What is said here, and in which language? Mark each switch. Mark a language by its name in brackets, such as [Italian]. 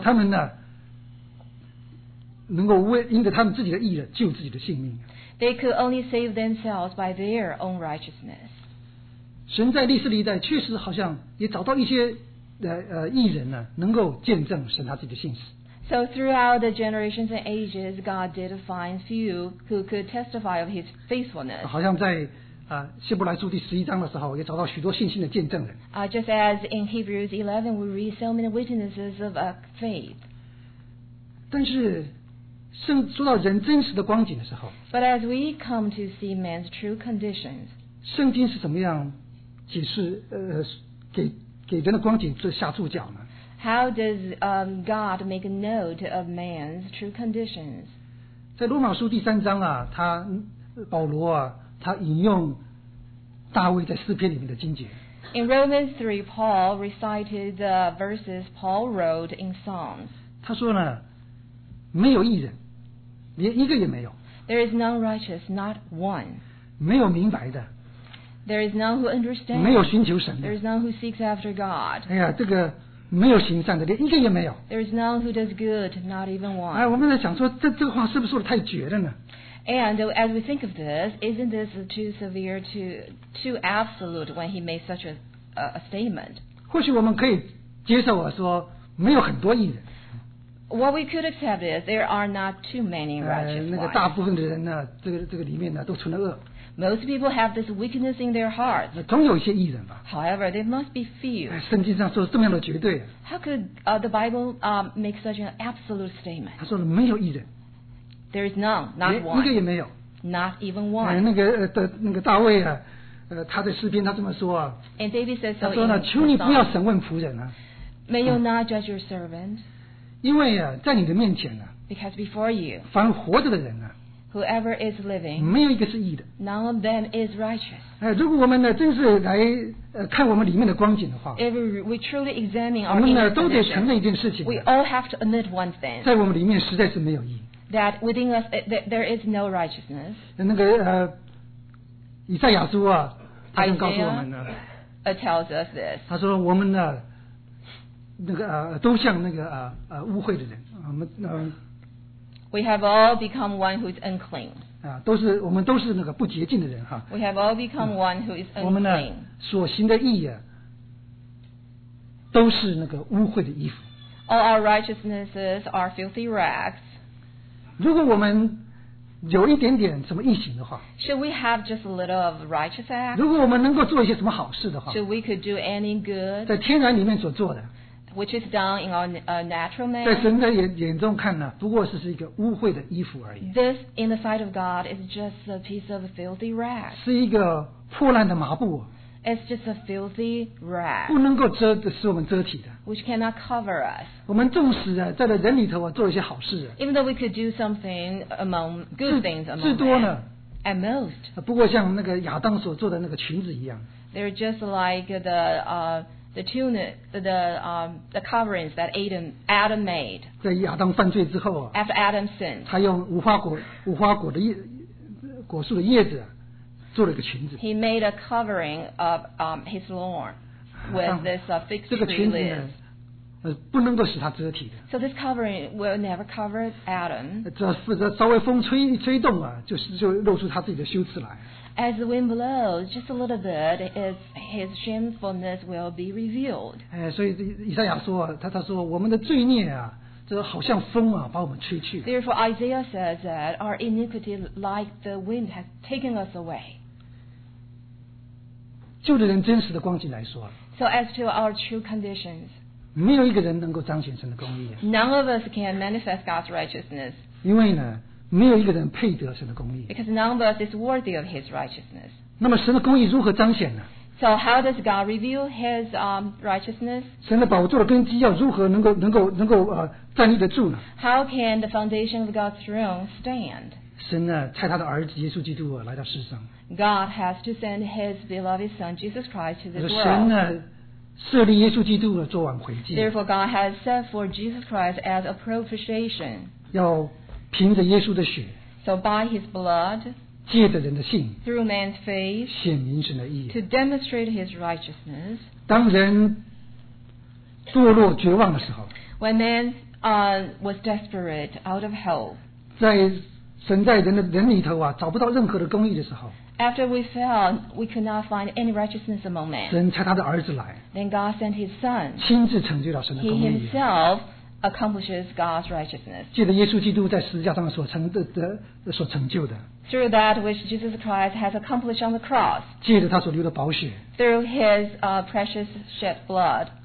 [Chinese] 他们呢，能够为因着他们自己的义人救自己的性命。 [English] They could only save themselves by their own righteousness. [Chinese] 神在历史历代确实好像也找到一些义人呢，能够见证神他自己的信实。 [English] So throughout the generations and ages, God did find few who could testify of His faithfulness. [Chinese] 好像在希伯来书第十一章的时候，也找到许多信心的见证人。 [English] Just as in Hebrews 11, we read so many witnesses of faith. [Chinese] 但是，说到人真实的光景的时候 [English] ，But as we come to see man's true conditions, [Chinese] 圣经是怎么样解释给人的光景做下注脚呢 [English] ？How does God make a note of man's true conditions？ [Chinese] 在罗马书第三章啊，他保罗啊。他引用大卫在诗篇里面的经节。 [English] In Romans 3, Paul recited the verses Paul wrote in Psalms. [Chinese] 他说呢，没有义人，连一个也没有。 [English] There is none righteous, not one. [Chinese] 没有明白的。 [English] There is none who understands. [Chinese] 没有寻求神的。 [English] There is none who seeks after God. [Chinese] 哎呀，这个没有行善的，连一个也没有。 [English] There is none who does good, not even one. [Chinese] 哎，我们在想说，这个话是不是说的太绝了呢？ [English] And as we think of this, isn't this too severe, too absolute when he made such a statement? [Chinese] 或许我们可以接受啊，说没有很多义人。 [English] What we could accept is there are not too many righteous ones. [Chinese] 那个大部分的人呢，这个里面呢，都存了恶。 [English] Most people have this weakness in their hearts. [Chinese] 总有一些义人吧。 [English] However, there must be few. [Chinese] 圣经上说这么样的绝对。 [English] How could the Bible make such an absolute statement? [Chinese] 他说没有义人。 [English] There is none, not one. [Chinese] 一个也没有。 [English] Not even one. [Chinese] 那个大卫啊，他在诗篇他这么说啊。 [English] And David says so. [Chinese] 他说呢，求你不要审问仆人啊。 [English] May you not judge your servant. [Chinese] 因为啊，在你的面前呢、啊。 [English] Because before you. [Chinese] 凡活着的人呢、啊。 [English] Whoever is living. [Chinese] 没有一个是义的。 [English] None of them is righteous. [Chinese] 如果我们呢，真是来看我们里面的光景的话。 [English] If we truly examine our [Chinese] 我们呢，都得承认一件事情、啊。 [English] We all have to admit one thing. [Chinese] 在我们里面实在是没有义。 [English] That within us there is no righteousness. [Chinese] 那个以赛亚书啊，他就告诉我们呢。 [English] Isaiah tells us this. [Chinese] 他说我们呢，那个都像那个污秽的人，我们 [English] We have all become one who is unclean. [Chinese] 我们都是那个不洁净的人哈。 [English] We have all become one who is unclean. [Chinese] 我们呢所行的义啊，都是那个污秽的衣服。 [English] All our righteousnesses are filthy rags. [Chinese] 如果我们有一点点什么义行的话 [English] ，Should we have just a little of righteous act？ [Chinese] 如果我们能够做一些什么好事的话 [English] ，Should we could do any good？ [Chinese] 在天然里面所做的 [English] ，Which is done in our natural man？ [Chinese] 在神的眼中看呢，不过是一个污秽的衣服而已。 [English] This in the sight of God is just a piece of filthy rag。 [Chinese] 是一个破烂的麻布。 [English] It's just a filthy rag。 [Chinese] 不能够遮的是我们遮体的。 [English] Which cannot cover us. [Chinese] 我们纵使啊，在人里头啊，做一些好事。 [English] Even though we could do something among good things among men. [Chinese] 至多呢。 [English] At most. [Chinese] 不过像那个亚当所做的那个裙子一样。 [English] They're just like the tunic, the coverings that Adam made. [Chinese] 在亚当犯罪之后啊。 [English] After Adam sinned. [Chinese] 他用无花果的果树的叶子做了一个裙子。 [English] He made a covering of his lawn. With this fig tree [Chinese] 这个裙子呢， [English] So this covering will never cover Adam. [Chinese] 稍微风吹动啊, 就露出他自己的羞耻来。 [English] As the wind blows, just a little bit, his shamefulness will be revealed. [Chinese] 所以以赛亚说，他说我们的罪孽啊。这好像风啊, [English] Therefore, Isaiah says that our iniquity, like the wind, has taken us away. [Chinese] 旧的人真实的光景来说, [English] so, as to our true conditions, [Chinese] 没有一个人能够彰显神的公义, [English] none of us can manifest God's righteousness. [Chinese] 因为呢, [English] because none of us is worthy of His righteousness. [Chinese] 那么神的公义如何彰显呢? [English] So how does God reveal His righteousness? [Chinese] 神的宝座的根基要如何能够站立得住呢? [English] How can the foundation of God's throne stand? [Chinese] 神呢，差他的儿子耶稣基督来到世上。 [English] God has to send His beloved Son Jesus Christ to this world. [Chinese] 神呢，设立耶稣基督做挽回祭。 [English] Therefore, God has set for Jesus Christ as a propitiation. [Chinese] 要凭着耶稣的血。 [English] So by His blood. [Chinese] 借着人的信, [English] through man's faith, [Chinese] 显明神的义, [English] to demonstrate his righteousness. [Chinese] 当人堕落绝望的时候, [English] when man was desperate out of hope, [Chinese] 在神在人里头啊, 找不到任何的公义的时候, [English] after we fell, we could not find any righteousness among man. [Chinese] 神差他的儿子来, [English] then God sent his son, [Chinese] 亲自成就了神的公义, [English] he himself accomplishes God's righteousness. [Chinese] 借着耶稣基督在十字架上所成就的, [English] through that which Jesus Christ has accomplished on the cross, [Chinese] 借着他所流的宝血, [English] through his precious shed blood,